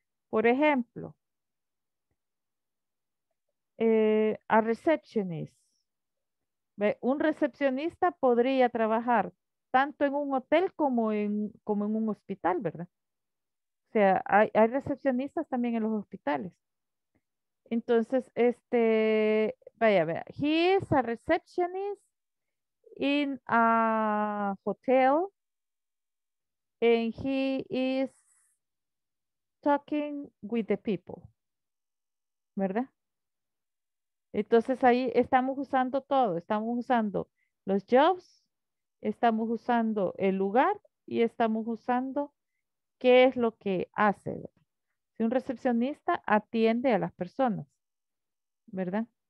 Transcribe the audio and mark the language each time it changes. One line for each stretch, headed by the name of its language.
Spanish: Por ejemplo, a receptionist. Un recepcionista podría trabajar tanto en un hotel como en un hospital, ¿verdad? O sea, hay recepcionistas también en los hospitales. Entonces, vaya.
English: He is a receptionist in a hotel and he is talking with the people, ¿verdad?
Spanish: Entonces ahí estamos usando todo, estamos usando los jobs, estamos usando el lugar y estamos usando qué es lo que hace. Si un recepcionista atiende a las personas, ¿verdad?